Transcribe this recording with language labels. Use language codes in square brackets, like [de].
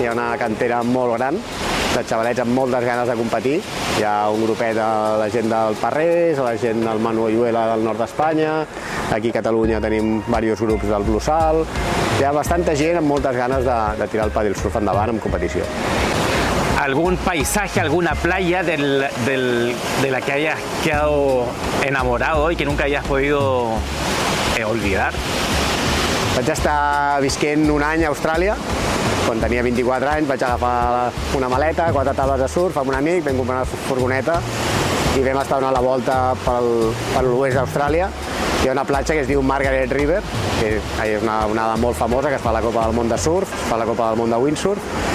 [ca] Hi ha una cantera molt gran, de xavalets amb moltes ganes de competir. Hi ha un grupet a la gent del Parrés, a la gent del Manu Ayuela del nord d'Espanya. Aquí a Catalunya tenim diversos grups del Blusal. Hi ha bastanta gent amb moltes ganes de tirar el paddle surf endavant en competició. Algun paisatge, [es] alguna playa de la que hayas quedado enamorado y que nunca hayas podido olvidar? [ca] Vaig estar visquent un any a Austràlia, quan tenia 24 anys, vaig agafar una maleta, quatre tables de surf amb un amic, vam comprar una furgoneta i vam estar donant la volta per l'oest d'Austràlia. Hi ha una platja que es diu Margaret River, que és una onada molt famosa, que es fa la Copa del Món de Surf, es fa la Copa del Món de Windsurf.